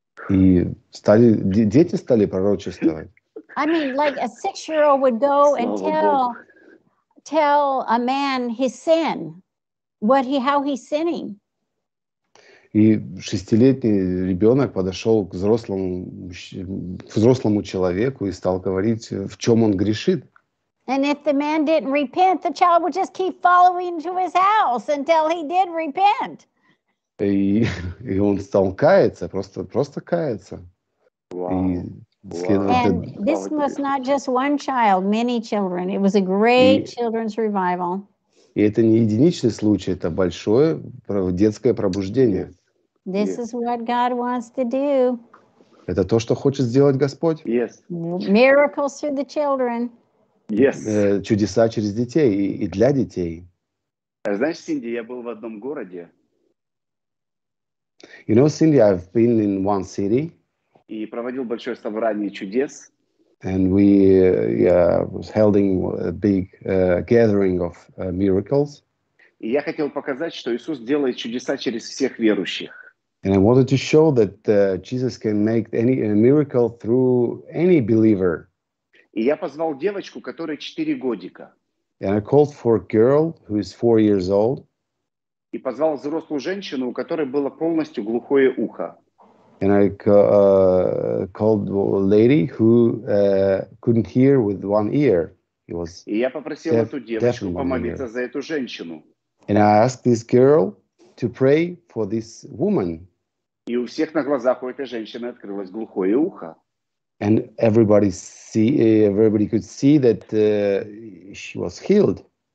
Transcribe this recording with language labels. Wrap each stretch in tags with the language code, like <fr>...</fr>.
<ru>И дети стали пророчествовать.</ru> <en>I mean, like a six-year-old would go and tell a man his sin, how he's sinning.</en> <ru>И шестилетний ребенок подошел к взрослому человеку и стал говорить, в чем он грешит.</ru> <en>And if the man didn't repent, the child would just keep following to his house until he did repent.</en> <ru>И он стал каяться, просто каяться.</ru> <en>Wow. And this was not just one child, many children. It was a great children's revival.</en> <ru>И это не единичный случай, это большое детское пробуждение.</ru> <en>This is what God wants to do.</en> <ru>Это то, что хочет сделать Господь?</ru> <en>Yes. Miracles through the children. Yes.</en> <ru>Чудеса через детей и для детей. Знаешь, Синди, я был в одном городе.</ru> <en>You know, Cindy, I've been in one city.</en> <ru>И проводил большое собрание чудес.</ru> <en>And we was holding a big gathering of miracles.</en> <ru>И я хотел показать, что Иисус делает чудеса через всех верующих.</ru> <en>And I wanted to show that Jesus can make any a miracle through any believer.</en> <ru>И я позвал девочку, которой 4 годика.</ru> <en>And I called for a girl who is 4 years old.</en> <ru>И позвал взрослую женщину, у которой было полностью глухое ухо.</ru> <en>And I called a lady who couldn't hear with one ear. It was</en> <ru>И я попросил эту девочку помолиться за эту женщину.</ru> <en>And I asked this girl to pray for this woman.</en> <ru>И у всех на глазах у этой женщины открылось глухое ухо.</ru> <en>And everybody could see that she was healed.</en>